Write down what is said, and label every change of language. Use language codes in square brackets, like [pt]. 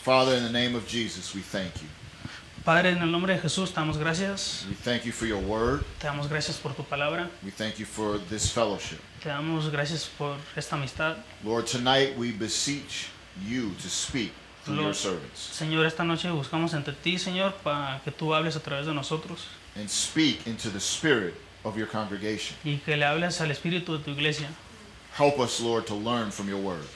[en] Father, in the name of Jesus, we thank you. [es] Padre, en el nombre de Jesús, te damos gracias. [en] We thank you for your word. [es] Te damos gracias por tu palabra. [en] We thank you for this fellowship. [es] Te damos gracias por esta amistad. [en] Lord, tonight we beseech you to speak through your servants. [es] Señor, esta noche buscamos ante ti, Señor, para que tú hables a través de nosotros. [en] And speak into the spirit of your congregation. [es] Y que le hables al espíritu de tu iglesia. [en] Help us, Lord, to learn from your word.